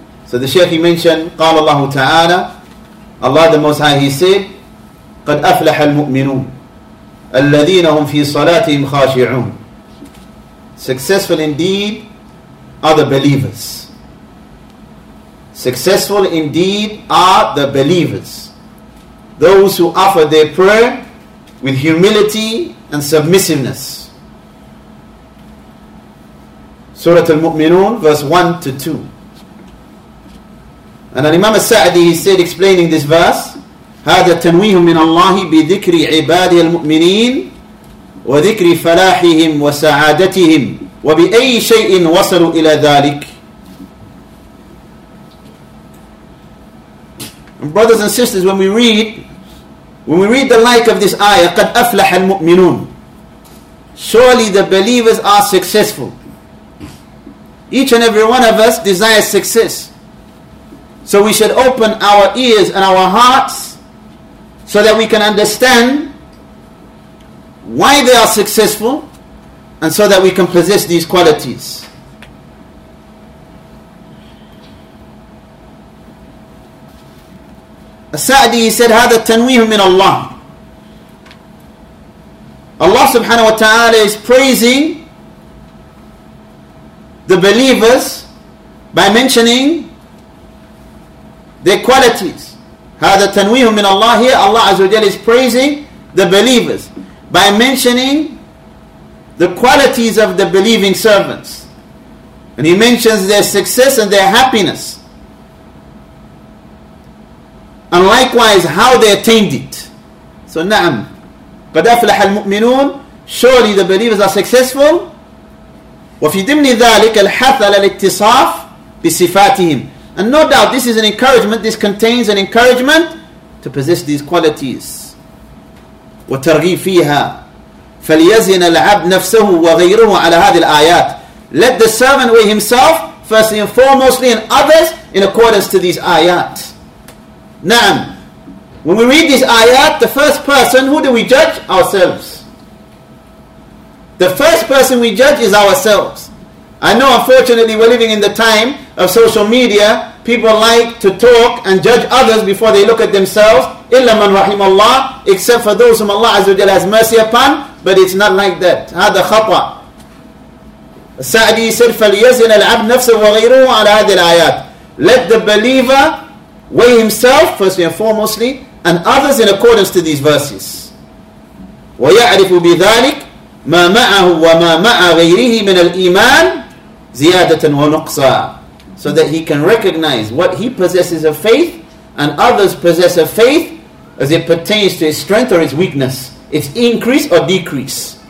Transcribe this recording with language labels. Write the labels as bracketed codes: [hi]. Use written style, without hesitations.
[en] So the Shaykh, he mentioned, [ar] قَالَ اللَّهُ تَعَالَى [en] Allah the Most High, he said, [ar] قَدْ أَفْلَحَ الْمُؤْمِنُونَ الَّذِينَ هُمْ فِي صَلَاتِهِمْ خَاشِعُونَ [en] Successful indeed are the believers. Successful indeed are the believers. Those who offer their prayer with humility and submissiveness. [ar] Surah Al-Mu'minun, verse 1 to 2. [en] And Imam Al-Sa'di, he said, explaining this verse, [ar] هذا تنويه من الله بذكر عباد المؤمنين وذكر فلاحهم وسعادتهم وبأي شيء وصلوا إلى ذلك. [en] And brothers and sisters, when we read the like of this ayah, [ar] قد أفلح المؤمنون. [en] Surely the believers are successful. Each and every one of us desires success. So we should open our ears and our hearts so that we can understand why they are successful, and so that we can possess these qualities. As-Sa'di, he said, [ar] هذا التنويه من الله. [en] Allah subhanahu wa ta'ala is praising the believers by mentioning their qualities. [ar] هذا التنويه من الله. [en] Here Allah Azza wa Jalla is praising the believers by mentioning the qualities of the believing servants. And He mentions their success and their happiness. And likewise, how they attained it. [ar] So, na'am. قد أفلح المؤمنون. [en] Surely the believers are successful. [ar] وفي ضمن ذلك الحث على الاتصاف بصفاتهم. [en] And no doubt this is an encouragement, this contains an encouragement to possess these qualities. [ar] وترغيب فيها. فليزن العبد نفسه وغيره على هذه الآيات. [en] Let the servant weigh himself, firstly and foremostly, and others in accordance to these آيات. Na'am. When we read this ayat, the first person, who do we judge? Ourselves. The first person we judge is ourselves. I know, unfortunately, we're living in the time of social media. People like to talk and judge others before they look at themselves. [ar] إِلَّا مَنْ رَحِمَ اللَّهِ. [en] Except for those whom Allah Azza wa Jalla has mercy upon. But it's not like that. [ar] هذا خطأ. [en] Sa'di said, [ar] فَلْيَزِنَ الْعَبْدُ نَفْسَهُ وَغَيْرُهُ عَلَى هَذِي الْآيَاتِ. [en] Let the believer weigh himself, firstly and foremostly, and others in accordance to these verses. [ar] وَيَعْرِفُ بِذَٰلِكَ مَا مَعَهُ وَمَا مَعَ غَيْرِهِ مِنَ الْإِيمَانِ زِيَادَةً وَنُقْصًا. [en] So that he can recognize what he possesses of faith, and others possess of faith, as it pertains to his strength or his weakness, its increase or decrease.